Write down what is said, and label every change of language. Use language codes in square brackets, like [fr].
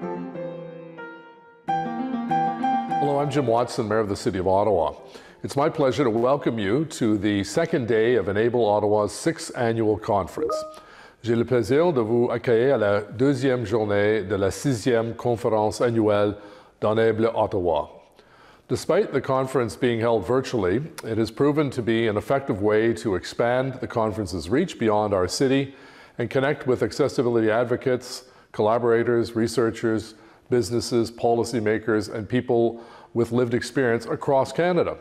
[en] Hello, I'm Jim Watson, Mayor of the City of Ottawa. It's my pleasure to welcome you to the second day of Enable Ottawa's sixth annual conference. [fr] J'ai le plaisir de vous accueillir à la deuxième journée de la sixième conférence annuelle d'Enable Ottawa. [en] Despite the conference being held virtually, it has proven to be an effective way to expand the conference's reach beyond our city and connect with accessibility advocates, collaborators, researchers, businesses, policymakers, and people with lived experience across Canada.